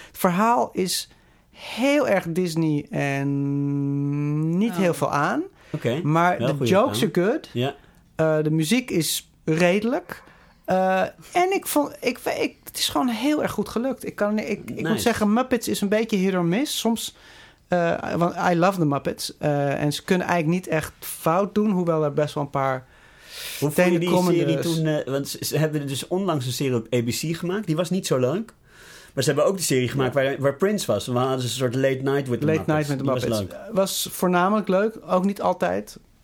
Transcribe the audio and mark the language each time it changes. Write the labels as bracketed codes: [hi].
[nl] Het verhaal is heel erg Disney en niet heel veel aan. Okay. Maar de [en] jokes are good. Yeah. [nl] De muziek is redelijk... en het is gewoon heel erg goed gelukt. Ik moet zeggen, Muppets is een beetje [en] hit or miss. [nl] Soms, want [en] I love the Muppets. [nl] En ze kunnen eigenlijk niet echt fout doen. Hoewel er best wel een paar... Hoe vond je die serie toen... want ze hebben dus onlangs een serie op ABC gemaakt. Die was niet zo leuk. Maar ze hebben ook de serie gemaakt waar Prince was. We hadden een soort [en] late night with the [nl] Muppets. Was voornamelijk leuk. Ook niet altijd...